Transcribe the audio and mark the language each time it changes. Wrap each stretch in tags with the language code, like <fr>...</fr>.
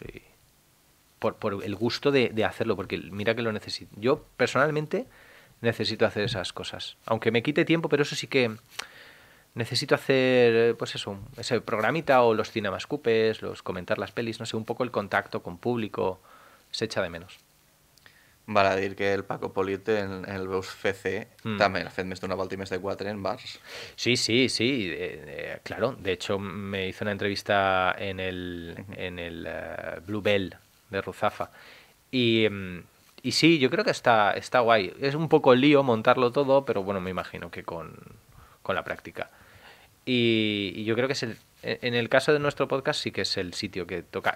<es>Y, Por el gusto de hacerlo, porque mira que lo necesito. Yo personalmente necesito hacer esas cosas. Aunque me quite tiempo, pero eso sí que necesito hacer, pues eso, ese programita o los cinemascupes, los comentar las pelis, no sé, un poco el contacto con público se echa de menos.</es> <ca>Vale, a dir que el Paco Polit en el Veus FC també ha fet més d'una volta i més de 4 en bars.</ca> <es>Sí, claro. De hecho, me hizo una entrevista en el, Bluebell de Ruzafa. Y sí, yo creo que está guay. Es un poco lío montarlo todo, pero bueno, me imagino que con la práctica. Y yo creo que en el caso de nuestro podcast sí que es el sitio que toca.</es>